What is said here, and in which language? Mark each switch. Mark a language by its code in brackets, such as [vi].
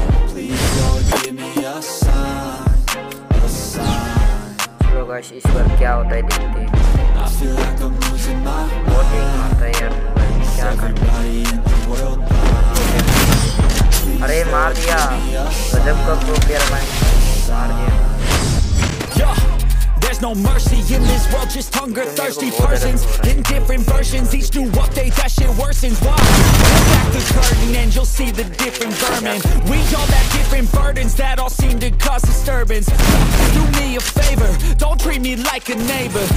[en] Please don't give me a sign. [hi] Guys, इस बार क्या होता है देखते हैं. बहुत ही मारता है यार क्या करते हैं. अरे मार दिया गजब का ग्रुप यार भाई मार दिया. [en] No mercy in this world, just hunger thirsty persons in different versions. Each new update that shit worsens. Why? Back the curtain and you'll see the different vermin. We all have different burdens that all seem to cause disturbance. Do me a favor, don't treat me like a neighbor.